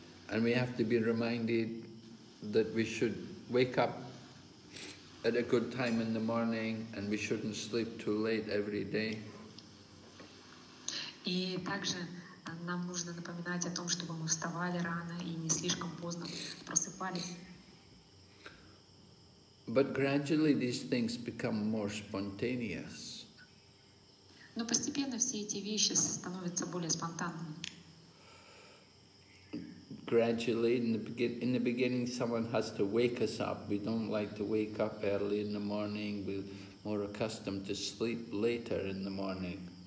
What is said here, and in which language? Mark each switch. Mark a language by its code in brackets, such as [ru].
[en] And we have to be reminded that we should wake up at a good time in the morning and we shouldn't sleep too late every day. [ru] И также нам нужно напоминать о том, чтобы мы вставали рано и не слишком поздно просыпались. Но постепенно все эти вещи становятся более спонтанными. [en] Gradually, in the beginning, someone has to wake us up. We don't like to wake up early in the morning. We're more accustomed to sleep later in the morning.